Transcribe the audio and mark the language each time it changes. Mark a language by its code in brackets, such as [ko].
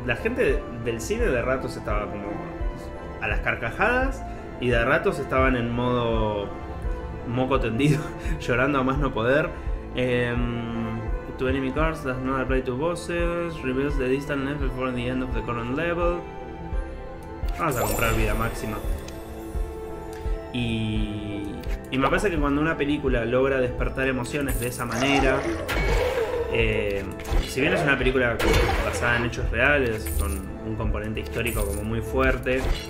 [es] La gente del cine de ratos estaba como a las carcajadas y de ratos estaban en modo moco tendido, llorando a más no poder. [en] To enemy cards, does not apply to bosses, reveals the distant left before the end of the current level. [es] Vamos a comprar vida máxima. Y me parece que cuando una película logra despertar emociones de esa manera, si bien es una película basada en hechos reales, con un componente histórico como muy fuerte,